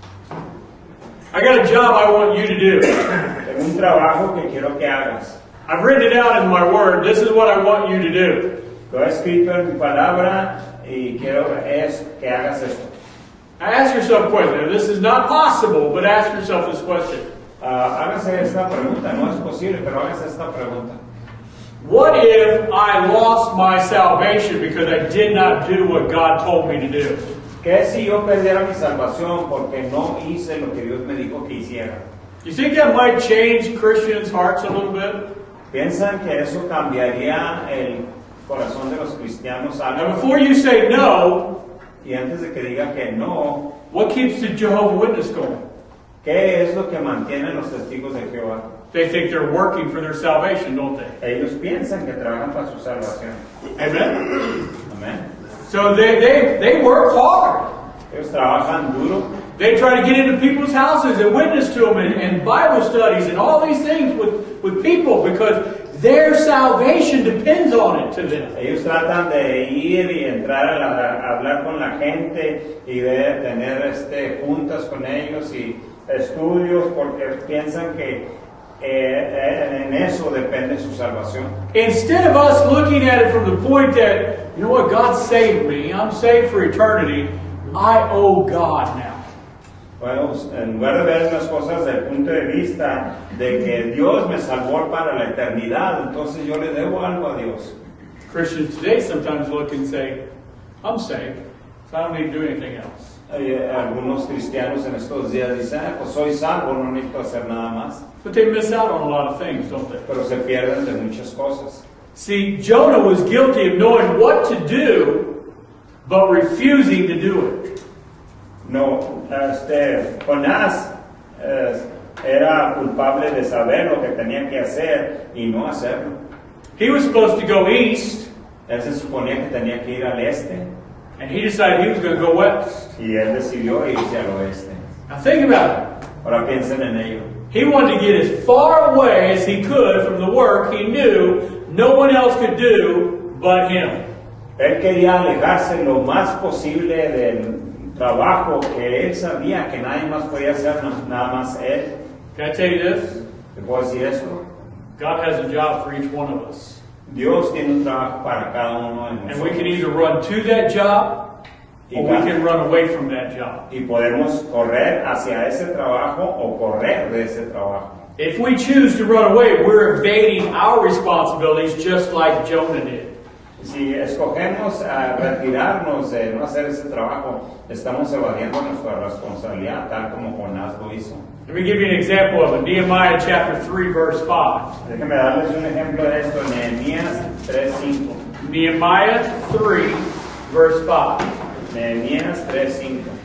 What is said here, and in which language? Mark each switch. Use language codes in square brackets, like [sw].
[en] I got a job I want you to do. [es] Tengo un trabajo que quiero que hagas. [en] I've written it out in my word. This is what I want you to do. [es] Lo he escrito en tu palabra y quiero que hagas esto. [en] Ask yourself a question. This is not possible, but ask yourself this question. [es] Hágase esta pregunta. No es posible, pero hágase esta pregunta. [en] What if I lost my salvation because I did not do what God told me to do? [es] ¿Qué si yo perdiera mi salvación porque no hice lo que Dios me dijo que hiciera? [en] You think that might change Christians' hearts a little bit? [es] ¿Piensan que eso cambiaría el corazón de los cristianos algo? [en] Now before you say no, [es] y antes de que diga que no, [en] what keeps the Jehovah's Witness going? [es] ¿Qué es lo que mantienen los testigos de Jehová? [en] They think they're working for their salvation, don't they? [es] Ellos piensan que trabajan para su salvación. [en] Amen. [es] Amen. [en] So they work hard. [es] Ellos trabajan duro. [en] They try to get into people's houses and witness to them and Bible studies and all these things with people because their salvation depends on it to them. [es] Ellos tratan de ir y entrar a hablar con la gente y de tener juntas con ellos y estudios porque piensan que en eso depende su salvación. [en] Instead of us looking at it from the point that, you know what, God saved me, I'm saved for eternity, I owe God now. [es] Bueno, en lugar de ver las cosas desde el punto de vista de que Dios me salvó para la eternidad, entonces yo le debo algo a Dios. [en] Christians today sometimes look and say, "I'm saved, so I don't need to do anything else." [es] Algunos cristianos en estos días dicen, pues soy salvo, no necesito hacer nada más. [en] But they miss out on a lot of things, don't they? [es] Pero se pierden de muchas cosas. [en] See, Jonah was guilty of knowing what to do, but refusing to do it. [es] No, Jonás era culpable de saber lo que tenía que hacer y no hacerlo. [en] He was supposed to go east. [es] Él se suponía que tenía que ir al este. [en] And he decided he was going to go west. [es] Y él decidió irse al oeste. [en] Now think about it. [es] Ahora piensen en ello. [en] He wanted to get as far away as he could from the work he knew no one else could do but him. [es] Él quería alejarse lo más posible del trabajo que él sabía que nadie más podía hacer, nada más él. [en] Can I tell you this? [es] ¿Te puedo decir esto? [en] God has a job for each one of us. [es] Dios tiene un trabajo para cada uno de nosotros. [en] And we can either run to that job or we can run away from that job. [es] Y podemos correr hacia ese trabajo o correr de ese trabajo. [en] If we choose to run away, we're evading our responsibilities just like Jonah did. [es] Si escogemos retirarnos de no hacer ese trabajo, estamos evadiendo nuestra responsabilidad tal como Jonás lo hizo. [en] Let me give you an example of it. Nehemiah chapter 3, verse 5. [es] Déjame darles un ejemplo de esto. Nehemías 3:5. [en] Nehemiah 3, verse 5. [es] Nehemías 3:5.